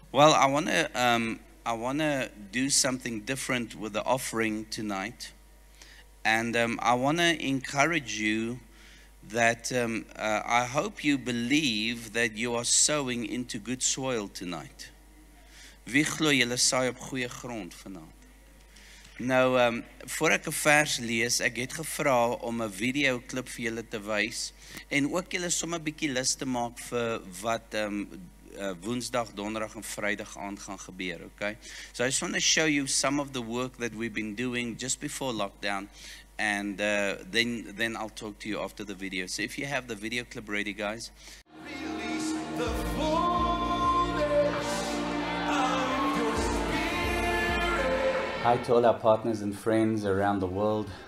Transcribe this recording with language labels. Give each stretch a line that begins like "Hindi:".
English: Well, I wanna do something different with the offering tonight, and I wanna encourage you that I hope you believe that you are sowing into good soil tonight.
Afrikaans: Wie glo julle saai op goeie grond vanaand? Nou, voor ek 'n vers lees, ek het gevra om 'n videoklip vir julle te wys en ook julle sommer 'n bietjie lys te maak vir wat Woensdag, Donderdag en Vrydag aand gaan gebeur, okay?
English: So I just want to show you some of the work that we've been doing just before lockdown, and then I'll talk to you after the video. So if you have the video clip ready, guys. Hi to all our partners and friends around the world.